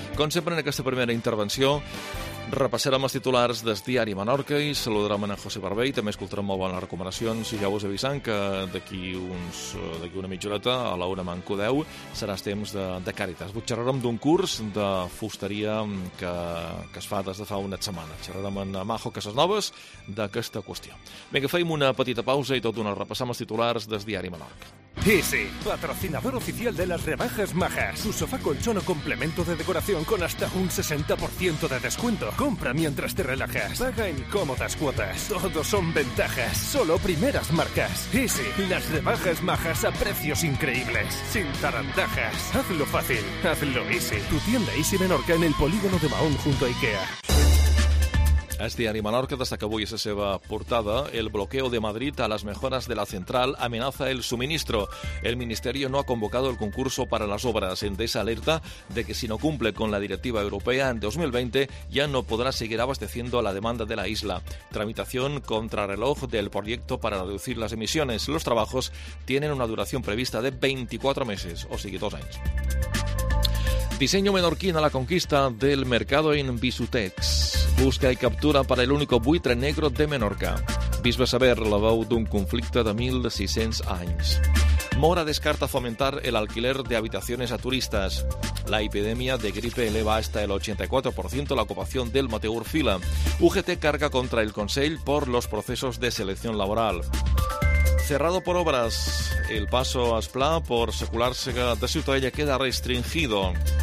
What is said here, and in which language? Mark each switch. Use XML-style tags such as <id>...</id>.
<ca>Com sempre, en aquesta primera intervenció, repassarem els titulars del diari Menorca i saludarem en José Barbé i també escoltarem molt bones recomanacions. I ja us avisant que d'aquí una mitjoreta, a la una manco 10, serà temps de Càritas. Xerrarem d'un curs de fusteria que es fa des de fa una setmana. Xerrarem en Majo Cases Noves d'aquesta qüestió. Vinga, feim una petita pausa i tot una repassam els titulars del diari Menorca.</ca> <es>Easy, patrocinador oficial de las rebajas majas. Su sofá colchón o complemento de decoración con hasta un 60% de descuento. Compra mientras te relajas. Paga en cómodas cuotas. Todos son ventajas. Solo primeras marcas. Easy, las rebajas majas a precios increíbles. Sin tarantajas. Hazlo fácil. Hazlo Easy. Tu tienda Easy Menorca en el polígono de Mahón junto a IKEA.</es> <ca>El diari Menorca destaca avui la seva portada.</ca> <es>El bloqueo de Madrid a las mejoras de la central amenaza el suministro. El ministerio no ha convocado el concurso para las obras. Endesa alerta de que si no cumple con la directiva europea en 2020 ya no podrá seguir abasteciendo a la demanda de la isla. Tramitación contrarreloj del proyecto para reducir las emisiones. Los trabajos tienen una duración prevista de 24 meses, o sigue 2 años. Diseño menorquín a la conquista del mercado en Bisutex.</es> <ca>Busca i captura per al</ca> <es>único buitre negro de Menorca.</es> <ca>Bisbe Saber, la veu d'un conflicte de 1.600 anys.</ca> <es>Mora descarta fomentar el alquiler de habitaciones a turistas. La epidemia de gripe eleva hasta el 84% la ocupación del Mateur Fila. UGT carga contra el Consell por los procesos de selección laboral. Cerrado por obras, el paso a Esplà por Secular Sega de Ciutadella queda restringido.</es>